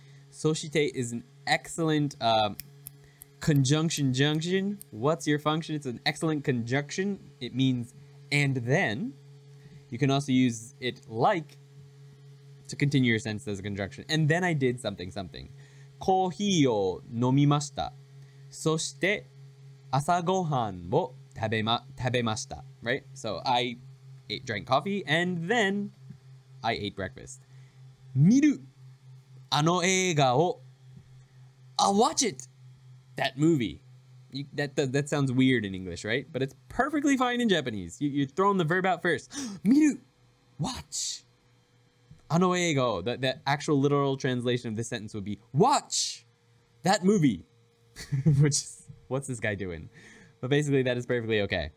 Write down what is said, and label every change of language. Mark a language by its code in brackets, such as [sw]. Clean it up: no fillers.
[en] そして is an excellent conjunction junction. What's your function? It's an excellent conjunction. It means and then. You can also use it like to continue your sentence as a conjunction. And then I did something something. [ja] コーヒーを飲みました。そして朝ごはんを食べました。 [en] Right? So I ate, drank coffee and then I ate breakfast. [ja] 見るあの映画を [en] I'll watch it. That movie. That sounds weird in English, right? But it's perfectly fine in Japanese. You're throwing the verb out first. 見る Watch. [ja] あの映画を [en] The actual literal translation of this sentence would be Watch that movie. Which is, what's this guy doing? But basically, that is perfectly okay.